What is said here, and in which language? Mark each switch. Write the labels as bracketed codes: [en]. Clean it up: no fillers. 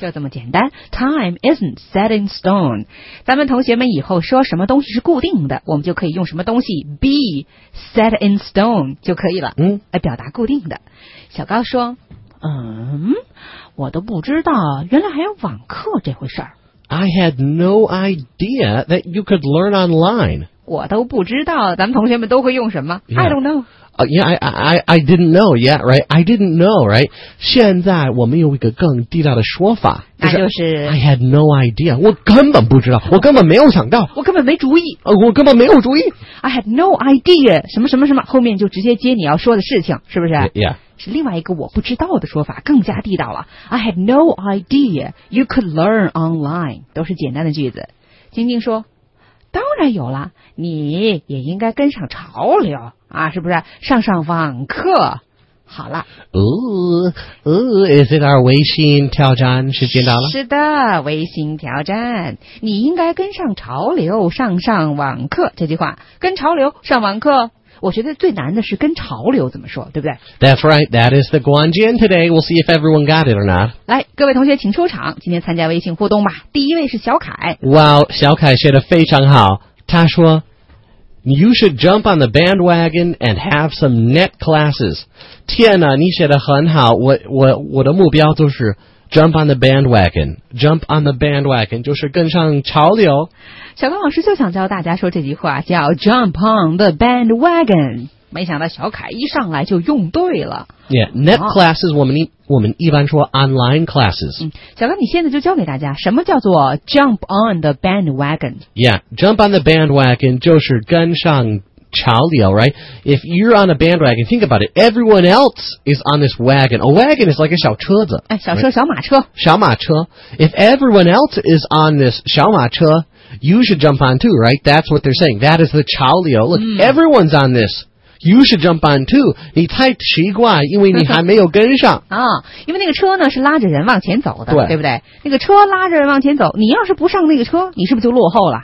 [zh] 就这么简单。 [en] Time isn't set in stone. [zh] 咱们同学们以后说什么东西是固定的，我们就可以用什么东西 [en] be set in stone [zh] 就可以了。嗯，来表达固定的。小高说：“嗯，我都不知道，原来还有网课这回事儿。 [en] ”I had no idea that you could learn online. [zh] 我都不知道，咱们同学们都会用什么 [en] yeah. ？I don't know. I didn't know. Yeah, right. I didn't know. Right. [zh] 现在我们有一个更地道的说法，就是 [en] I had no idea. [zh] 我根本不知道，我根本没有想到，我根本没主意。我根本没有主意。 [en] I had no idea. [zh] 什么什么什么，后面就直接接你要说的事情，是不是 [en] ？Yeah. [zh] 是另外一个我不知道的说法，更加地道了。 [en] I had no idea you could learn online. [zh] 都是简单的句子。晶晶说。当然有了，你也应该跟上潮流啊，是不是？上上网课，好了。 [en] Is it our [zh] 微信挑战时间到了？是的，微信挑战，你应该跟上潮流，上上网课。这句话，跟潮流上网课，我觉得最难的是跟潮流怎么说，对不对 [en] ？That's right. That is the 关键 today. We'll see if everyone got it or not. [zh] 来，各位同学请出场，今天参加微信互动吧。第一位是小凯。 Wow, 小凯写得非常好。他说：“ [en] You should jump on the bandwagon and have some net classes. [zh] 天哪，你写得很好。我的目标就是 [en] jump on the bandwagon. Jump on the bandwagon [zh] 就是跟上潮流。小刚老师就想教大家说这句话，叫 [en] jump on the bandwagon。 [zh] 没想到小凯一上来就用对了。 [en] Yeah, net classes, [zh] 我们一般说 [en] online classes.、 [zh] 小哥你现在就教给大家什么叫做 [en] jump on the bandwagon? Yeah, jump on the bandwagon [zh] 就是跟上潮流 [en] right? If you're on a bandwagon, think about it, everyone else is on this wagon. A wagon is like a 小车子。 [zh] 哎，小车、right? 小马车。小马车。 [en] If everyone else is on this 小马车, you should jump on too, right? That's what they're saying. That is the 潮流.Look,、everyone's on this. You should jump on too. [zh] 你太奇怪，因为你还没有跟上。啊，因为那个车呢是拉着人往前走的，对，对不对？那个车拉着人往前走，你要是不上那个车，你是不是就落后了？